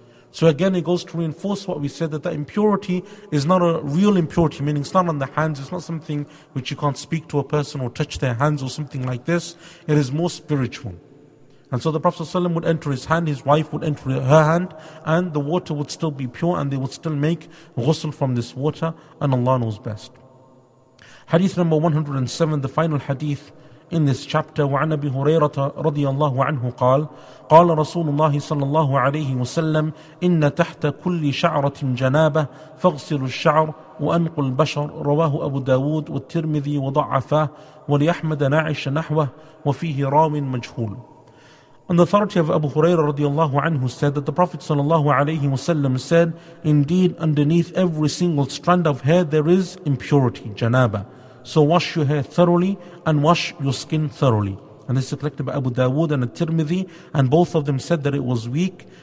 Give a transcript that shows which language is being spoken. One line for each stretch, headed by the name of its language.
English: So again, it goes to reinforce what we said, that impurity is not a real impurity, meaning it's not on the hands, it's not something which you can't speak to a person or touch their hands or something like this. It is more spiritual. And so the Prophet ﷺ would enter his hand, his wife would enter her hand, and the water would still be pure, and they would still make ghusl from this water, and Allah knows best. Hadith number 107, the final hadith in this chapter,
Arabic: وعن أبي هريرة رضي الله عنه قال قال رسول الله صلى الله عليه وسلم إن تحت كل شعرة جنابة فاغسلوا الشعر وأنقوا البشر رواه أبو داود والترمذي وضعفاه وليحمد ناعش نحوه وفيه رام مجهول.
English: On the authority of Abu Hurairah radiallahu anhu said that the Prophet sallallahu alayhi wasallam said, indeed, underneath every single strand of hair there is impurity, janaba. So wash your hair thoroughly and wash your skin thoroughly. And this is collected by Abu Dawood and At-Tirmidhi, and both of them said that it was weak.